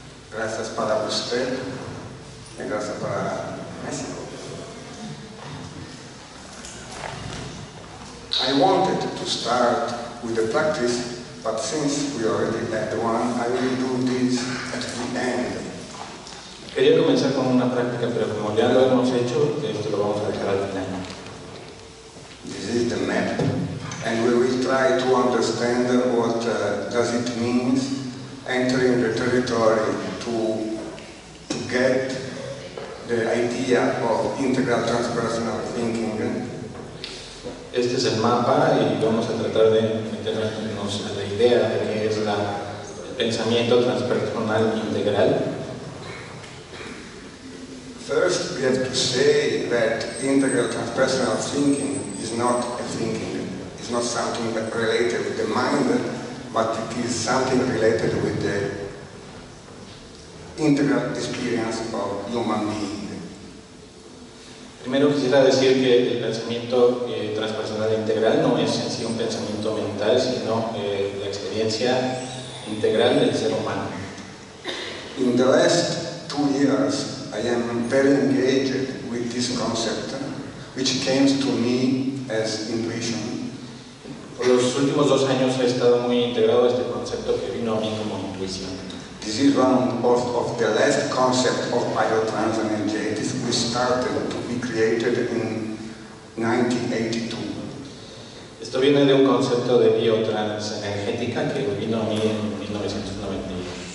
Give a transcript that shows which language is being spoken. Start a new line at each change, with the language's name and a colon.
Spanish: Gracias para usted y gracias para México.
English: I wanted to start with the practice, but since we already had the one, I will do this at the end.
Spanish: Quería comenzar con una práctica, pero como ya lo hemos hecho, esto lo vamos a dejar al final.
English: This is the map, and we will try to understand what does it means entering the territory to get the idea of integral transpersonal thinking.
Spanish: Este es el mapa y vamos a tratar de meternos en la idea de qué es el pensamiento transpersonal integral.
English: First, we have to say that integral transpersonal thinking is not a thinking. It's not something that related with the mind, but it is something related with the integral experience of human being.
Spanish: Primero quisiera decir que el pensamiento transpersonal integral no es en sí un pensamiento mental, sino la experiencia integral del ser humano.
English: In the last 2 years, I am very engaged with this concept, which came to me as intuition.
Spanish: Por los últimos 2 años he estado muy integrado a este concepto que vino a mí como intuición.
English: This is one of the last concept of biotransenergetics we started to be created in 1982.
Spanish: Esto viene de un concepto de biotransenergética que vino a mí en 1992.